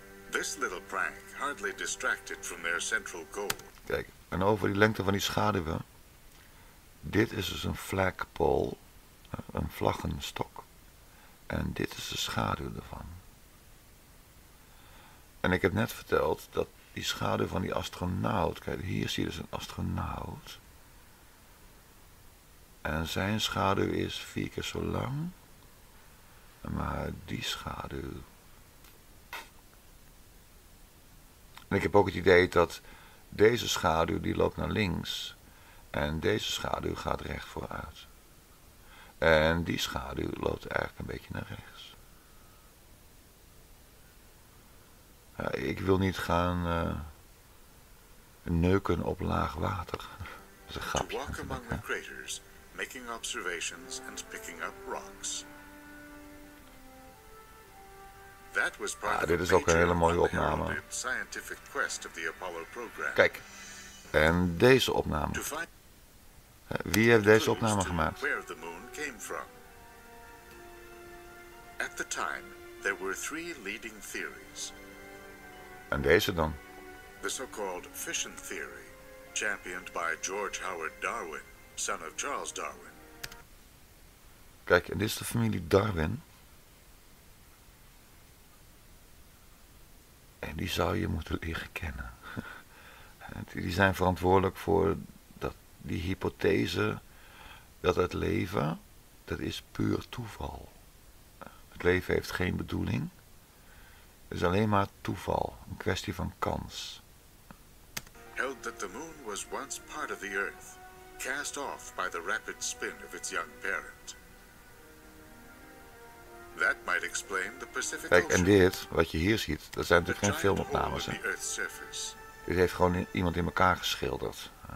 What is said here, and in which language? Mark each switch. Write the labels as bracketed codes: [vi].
[en] This little prank hardly distracted from their central goal. [nl] Kijk, en over die lengte van die schaduwen. Dit is dus een flagpole, een vlaggenstok. En dit is de schaduw ervan. En ik heb net verteld dat die schaduw van die astronaut, kijk, hier zie je dus een astronaut. En zijn schaduw is 4 keer zo lang. Maar die schaduw. En ik heb ook het idee dat deze schaduw die loopt naar links. En deze schaduw gaat recht vooruit. En die schaduw loopt eigenlijk een beetje naar rechts. Ik wil niet gaan neuken op laag water. Dat is een grapje. [en] To walk among the craters, making observations and picking up rocks. That was part of [nl] dit is ook een hele mooie opname. [en] Scientific quest of the Apollo program. [nl] Kijk, en deze opname. Wie heeft deze opname gemaakt? [en] Where the moon came from. At the time, there were 3 leading theories. [nl] En deze dan? [en] The so-called fission theory, championed by George Howard Darwin, son of Charles Darwin. [nl] Kijk, en dit is de familie Darwin. En die zou je moeten leren kennen. Die zijn verantwoordelijk voor dat, die hypothese dat het leven, dat is puur toeval. Het leven heeft geen bedoeling. Het is alleen maar toeval, een kwestie van kans. [en] Held that the moon was once part of the earth, cast off by the rapid spin of its young parent. That might explain the Pacific Ocean. [nl] Kijk, en dit, wat je hier ziet, dat zijn natuurlijk geen filmopnames. Dit heeft gewoon iemand in elkaar geschilderd.